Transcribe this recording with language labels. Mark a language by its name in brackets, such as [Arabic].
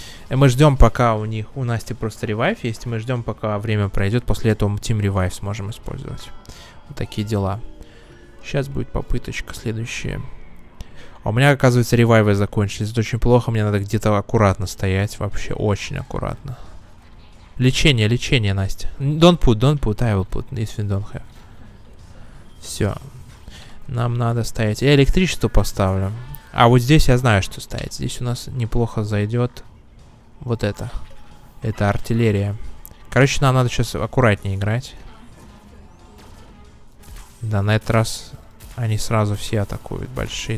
[Russian] Мы ждем, пока у них, у Насти просто ревайв есть. Мы ждем, пока время пройдет. После этого мы Team Revive сможем использовать. Вот такие дела. Сейчас будет попыточка следующая. А у меня, оказывается, ревайвы закончились. Это очень плохо. Мне надо где-то аккуратно стоять. Вообще очень аккуратно. Лечение, лечение, Настя. [English] Don't put, I will put, if you don't have. [Russian] Все. Нам надо ставить. Я электричество поставлю. А вот здесь я знаю, что ставить. Здесь у нас неплохо зайдет. Вот это. Это артиллерия. Короче, нам надо сейчас аккуратнее играть. Да, на этот раз они сразу все атакуют, большие.